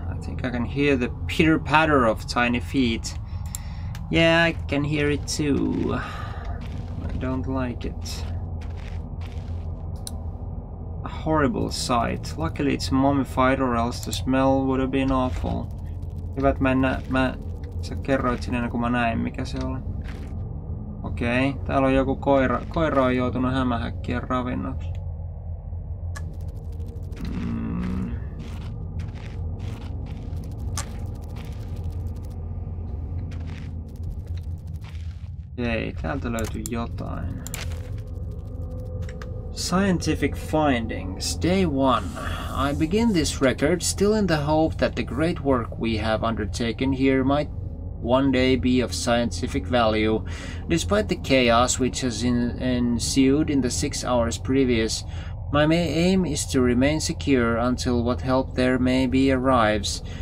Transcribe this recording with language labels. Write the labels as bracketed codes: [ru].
[en] I think I can hear the pitter patter of tiny feet. Yeah, I can hear it too. I don't like it. A horrible sight. Luckily it's mummified or else the smell would have been awful. [fi] Hyvä, että sä kerroit sinne ennen kuin mä näin, mikä se oli. Okei, täällä on joku koira. Koira on joutunut hämähäkkien ravinnoksi. Okei, täältä löytyy jotain. [en] Scientific findings, day one. I begin this record still in the hope that the great work we have undertaken here might one day be of scientific value. Despite the chaos which has ensued in the 6 hours previous, my main aim is to remain secure until what help there may be arrives.